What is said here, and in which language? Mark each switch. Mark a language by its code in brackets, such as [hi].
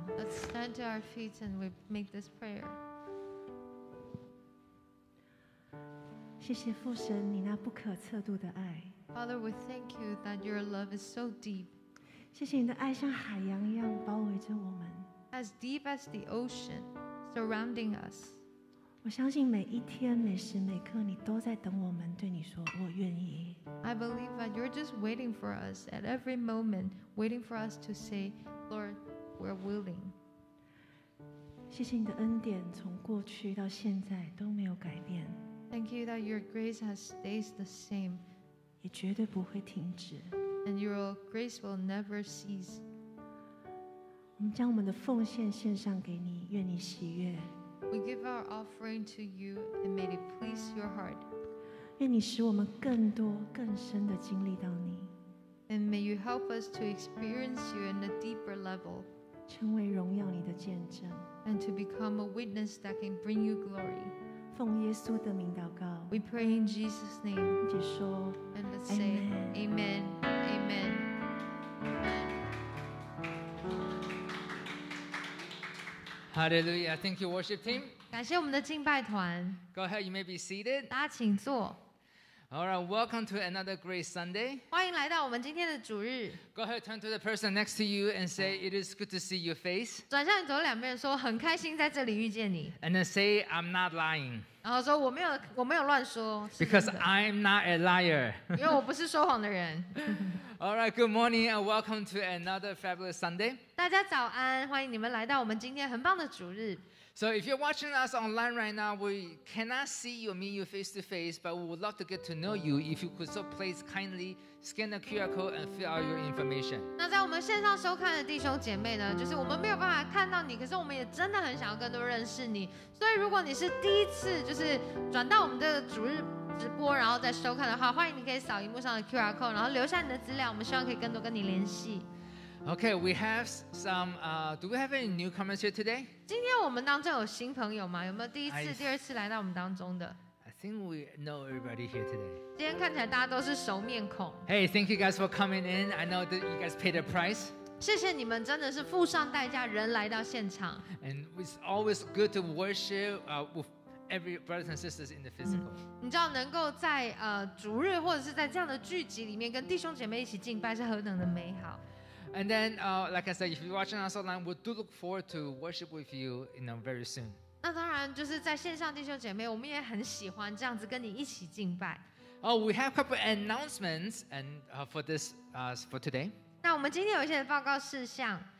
[en] Let's stand to our feet and we make this prayer. [zh] 谢谢父神，你那不可测度的爱。 [en] Father, we thank you that your love is so deep. [zh] 谢谢你的爱像海洋一样包围着我们。 [en] As deep as the ocean surrounding us. [zh] 我相信每一天每时每刻你都在等我们，对你说我愿意。 [en] I believe that you're just waiting for us at every moment, waiting for us to say, Lord, we're willing. [zh] 谢谢你的恩典从过去到现在都没有改变。 [en] Thank you that your grace has stays the same. [zh] 也绝对不会停止。 [en] And your grace will never cease. [zh] 我们将我们的奉献献上给你，愿你喜悦。 [en] We give our offering to you and may it please your heart. [zh] 愿你使我们更多更深的经历到你。 [en] And may you help us to experience you in a deeper level. [zh] 成为荣耀你的见证。 [en] And to become a witness that can bring you glory. [zh] 奉耶稣的名祷告。 [en] We pray in Jesus' name. [zh] 解说。 [en] And let's say, Amen. Amen. Amen. Hallelujah. Thank you, worship team. [zh] 感谢我们的敬拜团。 [en] Go ahead, you may be seated. [zh] 大家请坐。 [en] All right, welcome to another great Sunday. [zh] 欢迎来到我们今天的主日。 [en] Go ahead, turn to the person next to you and say, it is good to see your face. [zh] 转向你左右两边说，很开心在这里遇见你。 [en] And then say, I'm not lying. [zh] 然后说我没有乱说。 [en] Because I'm not a liar. [zh] 因为我不是说谎的人。 [en] All right, good morning and welcome to another fabulous Sunday. [zh] 大家早安，欢迎你们来到我们今天很棒的主日。 [en] So if you're watching us online right now, we cannot see you or meet you face to face, but we would love to get to know you. If you could so please kindly scan the QR code and fill out your information. [zh] 那在我们线上收看的弟兄姐妹呢，就是我们没有办法看到你，可是我们也真的很想要更多认识你。所以如果你是第一次就是转到我们的主日直播，然后再收看的话，欢迎你可以扫荧幕上的 QR code， 然后留下你的资料，我们希望可以更多跟你联系。 [en] Okay, we have some. Do we have any newcomers here today? [zh] 今天我们当中有新朋友吗？有没有第一次、第二次来到我们当中的 [en] ？I think we know everybody here today. [zh] 今天看起来大家都是熟面孔。 [en] Hey, thank you guys for coming in. I know that you guys paid the price. [zh] 谢谢你们，真的是付上代价，人来到现场。 [en] And it's always good to worship with every brothers and sisters in the physical.、嗯、 [zh] 你知道能够在主日或者是在这样的聚集里面跟弟兄姐妹一起敬拜是何等的美好。 [en] And then, like I said, if you're watching us online, we do look forward to worship with you, you know, very soon. [zh] 那当然就是在线上弟兄姐妹，我们也很喜欢这样子跟你一起敬拜。 [en] Oh, we have a couple announcements and for this for today. [zh] 那我们今天有一些报告事项。